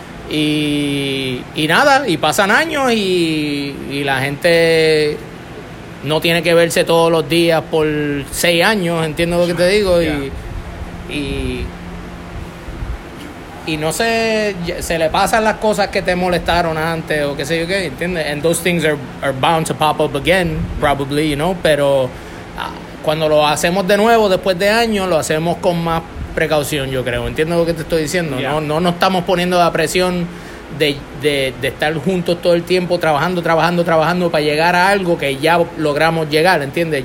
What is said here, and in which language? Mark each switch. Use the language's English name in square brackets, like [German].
[Spanish] Y nada, y pasan años y la gente no tiene que verse todos los días por 6 años, entiendo lo que te digo. Yeah. Y no sé, se le pasan las cosas que te molestaron antes o qué sé yo qué, ¿entiendes? [English] And those things are bound to pop up again, probably, you know. [Spanish] Pero cuando lo hacemos de nuevo después de años, lo hacemos con más precaución, yo creo. Entiendo lo que te estoy diciendo. Yeah. No nos estamos poniendo la presión de estar juntos todo el tiempo trabajando para llegar a algo que ya logramos llegar, ¿entiendes?